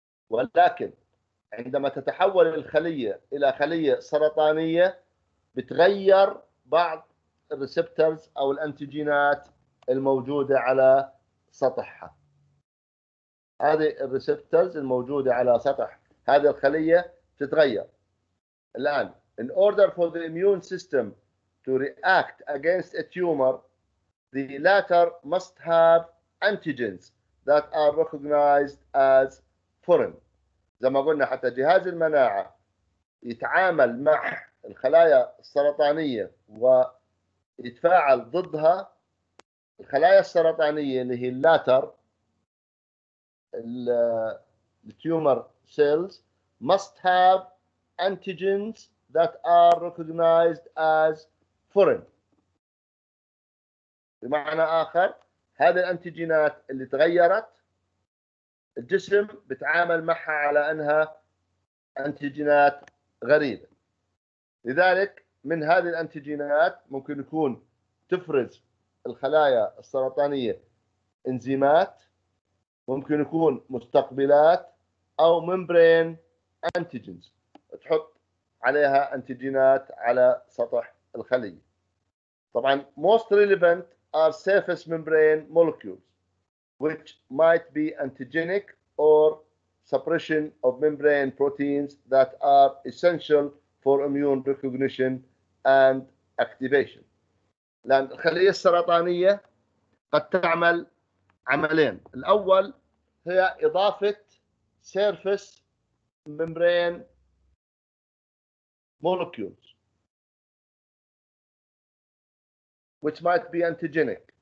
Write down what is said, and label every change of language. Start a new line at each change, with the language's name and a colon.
Arabic: ولكن عندما تتحول الخلية إلى خلية سرطانية بتغير بعض الريسبترز أو الأنتيجينات الموجودة على سطحها. هذه الريسبترز الموجودة على سطح هذه الخلية تتغير.
English: الآن in order for the immune system to react against a tumor, the latter must have antigens that are recognized as foreign.
Arabic: زي ما قلنا حتى جهاز المناعة يتعامل مع الخلايا السرطانية ويتفاعل ضدها، الخلايا السرطانية اللي هي اللاتر التيومر سيلز
English: must have antigens that are recognized as foreign.
Arabic: بمعنى آخر هذه الأنتيجينات اللي تغيرت الجسم بتعامل معها على أنها أنتيجينات غريبة. لذلك من هذه الأنتيجينات ممكن يكون تفرز الخلايا السرطانية إنزيمات، ممكن يكون مستقبلات أو ممبرين أنتيجينز تحط عليها أنتيجينات على سطح الخلية.
English: طبعاً most relevant are surface membrane molecules which might be antigenic or suppression of membrane proteins that are essential for immune recognition and activation.
Arabic: لأن الخلية السرطانية قد تعمل عملين. الأول هي إضافة
English: surface membrane molecules which might be antigenic.